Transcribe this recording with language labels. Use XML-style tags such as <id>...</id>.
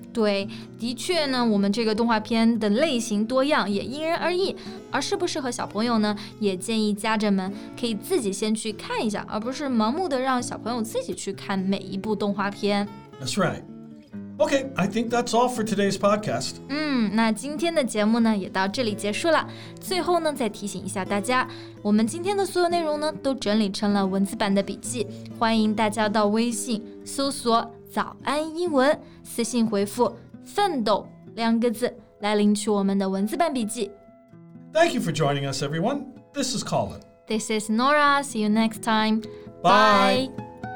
<zh>对，的确呢，我们这个动画片的类型多样，也因人而异。而适不适合小朋友呢，也建议家长们可以自己先去看一下，而不是盲目的让小朋友自己去看每一部动画片。</zh> <en>That's right. Okay, I think that's all for today's podcast.</en> <zh>那今天的节目呢，也到这里结束了。最后呢，再提醒一下大家，我们今天的所有内容呢，都整理成了文字版的笔记，欢迎大家到微信搜索“早安英文”，私信回复“奋斗”两个字，来领取我们的文字版笔记。</zh> <en>Thank you for joining us, everyone. This is Colin. This is Nora. See you next time. Bye. Bye.</en>